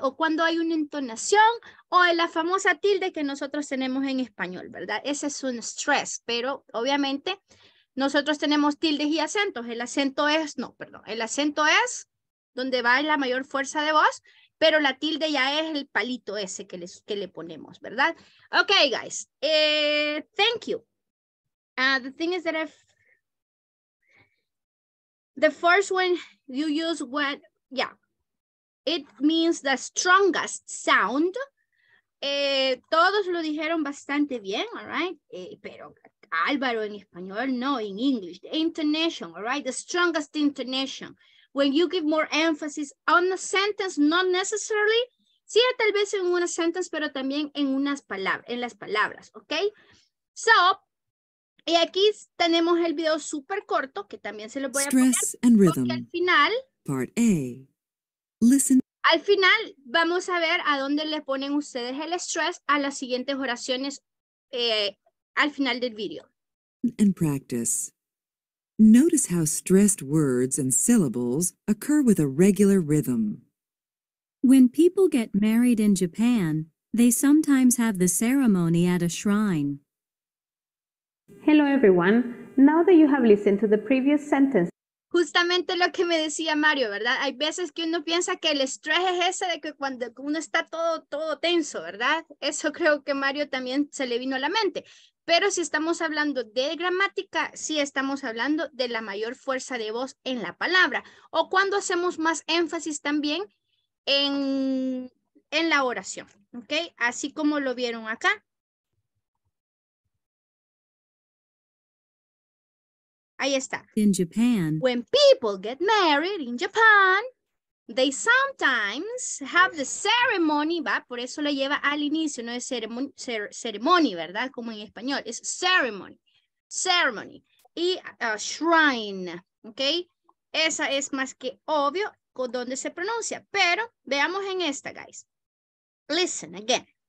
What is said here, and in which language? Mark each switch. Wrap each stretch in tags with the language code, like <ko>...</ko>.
<es>O cuando hay una entonación o la famosa tilde que nosotros tenemos en español, ¿verdad? Ese es un stress, pero obviamente nosotros tenemos tildes y acentos. El acento es, no, perdón, el acento es donde va la mayor fuerza de voz, pero la tilde ya es el palito ese que le ponemos, ¿verdad?</es> <en>Ok, guys, thank you. The thing is that if the first one you use, when, yeah, it means the strongest sound.</en> <es>Todos lo dijeron bastante bien,</es> <en>all right?</en> <es>Pero Álvaro en español, no,</es> <en>in English. The intonation, all right? The strongest intonation. When you give more emphasis on a sentence, not necessarily.</en> <es>Sí, tal vez en una sentence, pero también en unas palabras, en las palabras, ¿ok? So, y aquí tenemos el video súper corto, que también se lo voy a poner.</es> <en>Stress and rhythm.</en> <es>Porque al final,</es> <en>part A, listen.</en> <es>Al final, vamos a ver a dónde le ponen ustedes el stress a las siguientes oraciones al final del video.</es> <en>And practice. Notice how stressed words and syllables occur with a regular rhythm. When people get married in Japan, they sometimes have the ceremony at a shrine. Hello everyone. Now that you have listened to the previous sentence.</en> <es>Justamente lo que me decía Mario, ¿verdad? Hay veces que uno piensa que el estrés es ese de que cuando uno está todo tenso, ¿verdad? Eso creo que Mario también se le vino a la mente. Pero si estamos hablando de gramática, sí estamos hablando de la mayor fuerza de voz en la palabra. O cuando hacemos más énfasis también en la oración, ¿ok? Así como lo vieron acá. Ahí está.</es> <en>In Japan. When people get married in Japan, they sometimes have the ceremony,</en> <es>¿va? Por eso la lleva al inicio, no es ceremony, ¿verdad? Como en español, es ceremony. Ceremony. Y shrine, ¿ok? Esa es más que obvio con dónde se pronuncia. Pero veamos en esta, guys.</es> <en>Listen again.</en>